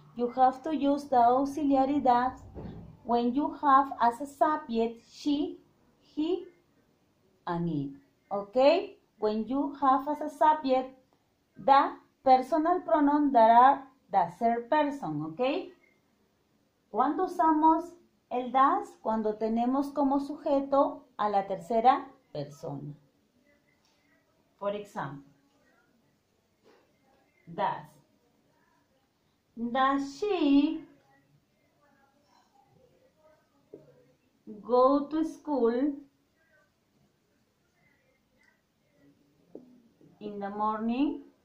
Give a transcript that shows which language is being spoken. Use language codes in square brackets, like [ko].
[en] You have to use the auxiliary does when you have as a subject she, he, and it. Okay? When you have as a subject the personal pronoun that are the third person, okay? [es] ¿Cuándo usamos el does? Cuando tenemos como sujeto a la tercera persona. [en] For example, does she go to school in the morning?